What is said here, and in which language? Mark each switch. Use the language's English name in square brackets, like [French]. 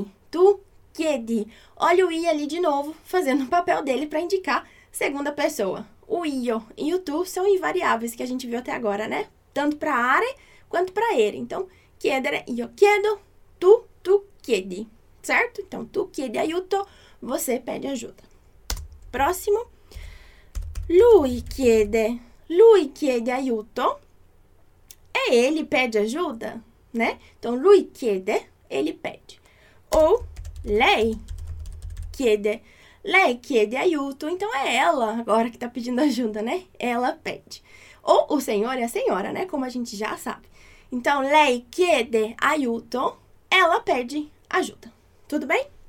[Italian] Tu chiedi. [Portuguese] Olha o i ali de novo, fazendo o papel dele para indicar segunda pessoa. O io e o tu são invariáveis que a gente viu até agora, né? Tanto para are quanto para ere. Então, chiedere, [Italian] io chiedo, tu chiedi, [Portuguese] certo? Então, [Italian] tu chiedi aiuto, [Portuguese] você pede ajuda. Próximo. [Italian] Lui chiede aiuto, [Portuguese] e ele pede ajuda, né? Então, [Italian] lui chiede, [Portuguese] ele pede. Ou [Italian] lei chiede aiuto, [Portuguese] então é ela agora que tá pedindo ajuda, né? Ela pede. Ou o senhor e a senhora, né? Como a gente já sabe. Então, [Italian] lei chiede aiuto. [Portuguese] Ela pede ajuda. Tudo bem?